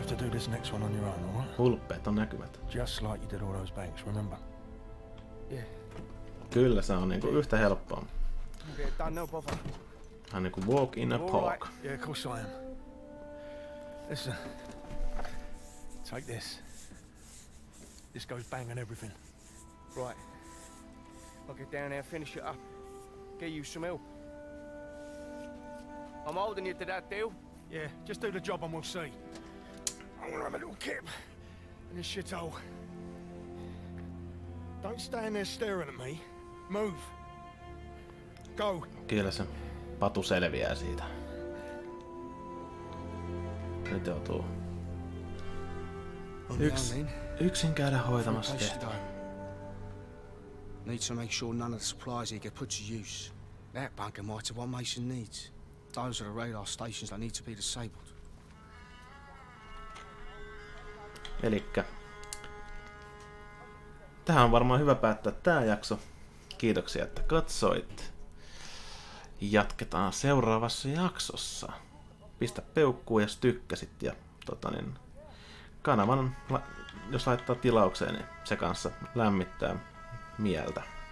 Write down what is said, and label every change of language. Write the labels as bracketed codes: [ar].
[en] This next one on your own, all right? [fi] Hulppeet on näkymät. [en] Just like you did all those banks, remember? Yeah. [fi] Kyllä, se on niinku yhtä helppoa. [en] Okay, done, no bother. [fi] Hän niinku [en] walk in a park. Right. Yeah, of course I am. Listen. Take this. This goes bang and everything. Right. I'll get down there, finish it up. Get you some help. I'm holding you to that deal. Yeah, just do the job and we'll see. I'm gonna have a little kip in this shithole. Don't stand there staring at me. Move. Go. [fi] Kyllä se patu selviää siitä. Nyt joutuu yksin käydä hoitamassa tehtävän. [en] Need to make sure none of the supplies here get put to use. That bunker might have what Mason needs. Those are the radar stations that need to be disabled. [fi] Elikkä tähän on varmaan hyvä päättää tämä jakso. Kiitoksia, että katsoit. Jatketaan seuraavassa jaksossa. Pistä peukkuun, jos tykkäsit. Ja kanavan, jos laittaa tilaukseen, niin se kanssa lämmittää mieltä.